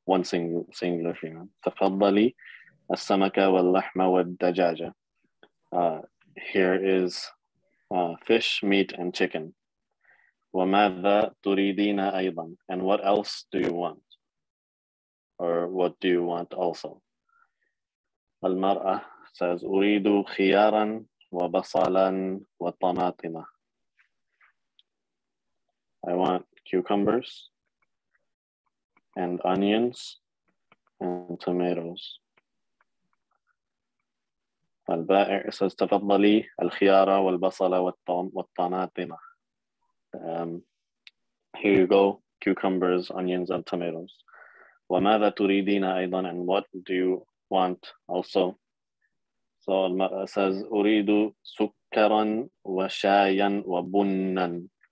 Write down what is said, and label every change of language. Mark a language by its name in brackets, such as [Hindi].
[English] One singular female. [Arabic] Tafaddali, as-samaka wal-lahma wal-dajaja. [English] Here is fish, meat, and chicken. [Arabic] وَمَاذَا تُرِيدِينَ أَيْضًا, [English] and what else do you want? Or what do you want also? [Arabic] المرأة [English] says, [Arabic] أُرِيدُ خِيَارًا وَبَصَلًا وَطَمَاطِمًا. [English] I want cucumbers and onions and tomatoes. [Arabic] البائع [English] says, [Arabic] تفضلي الخيار والبصل والطماطم. [English] Here you go, cucumbers, onions, and tomatoes. [Arabic] وَمَاذَا تُرِيدِينَ أَيْضًا, [English] and what do you want also? So [Arabic] al-mar'a says, أُرِيدُ سكرًا وشايًا وبنًا.